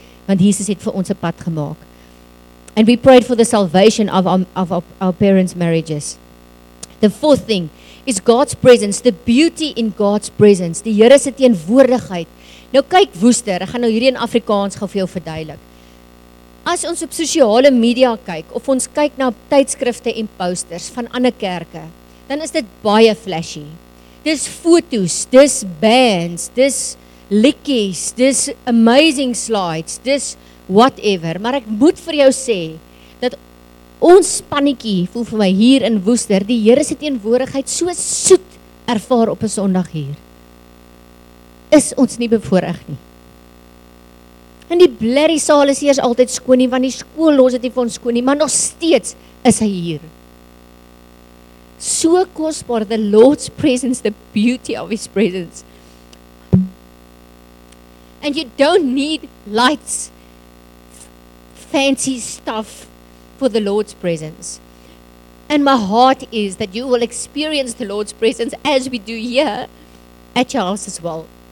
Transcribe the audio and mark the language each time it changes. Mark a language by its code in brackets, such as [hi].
[af] Want Jesus het vir ons 'n pad gemaak. [en] And we prayed for the salvation of our parents' marriages. The fourth thing is God's presence, the beauty in God's presence. [af] Die Here se teenwoordigheid. Nou kyk Woester, ek gaan nou hierdie in Afrikaans gou vir jou verduidelik. As ons op sosiale media kyk, of ons kyk na tydskrifte en posters van ander kerke, dan is dit baie flashy. Dis foto's, dis bands, dis likkies, dis [en] amazing slides, [af] dis whatever. Maar ek moet vir jou sê, dat ons pannetjie voel vir my hier in Woester, die Here se teenwoordigheid so soet ervaar op 'n Sondag hier. Is ons nie bevoorreg nie. En die blerrie saal is eers altyd skoon nie, want die skool los dit nie vir ons skoon nie, maar nog steeds is hy hier. So kosbaar, [en] the Lord's presence, the beauty of his presence. And you don't need lights, fancy stuff for the Lord's presence. And my heart is that you will experience the Lord's presence as we do here at your house as well.